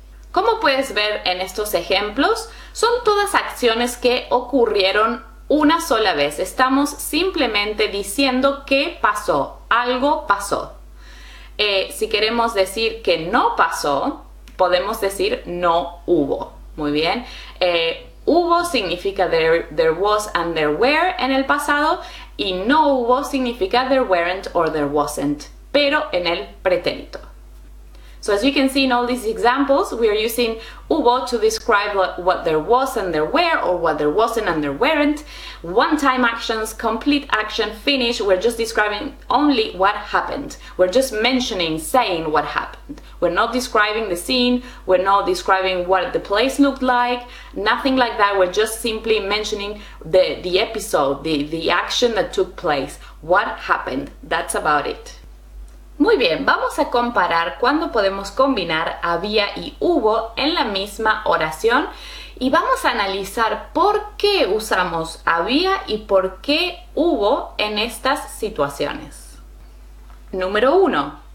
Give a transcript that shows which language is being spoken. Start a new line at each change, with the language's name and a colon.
Spanish: Como puedes ver en estos ejemplos, son todas acciones que ocurrieron una sola vez. Estamos simplemente diciendo que pasó, algo pasó. Si queremos decir que no pasó, podemos decir no hubo. Muy bien. Hubo significa there was and there were en el pasado y no hubo significa there weren't or there wasn't, pero en el pretérito.
English: So as you can see in all these examples, we are using hubo to describe what there was and there were, or what there wasn't and there weren't. One-time actions, complete action, finish, we're just describing only what happened. We're just mentioning, saying what happened. We're not describing the scene, we're not describing what the place looked like, nothing like that. We're just simply mentioning the episode, the action that took place. What happened? That's about it.
Spanish: Muy bien, vamos a comparar cuándo podemos combinar había y hubo en la misma oración y vamos a analizar por qué usamos había y por qué hubo en estas situaciones. Número 1.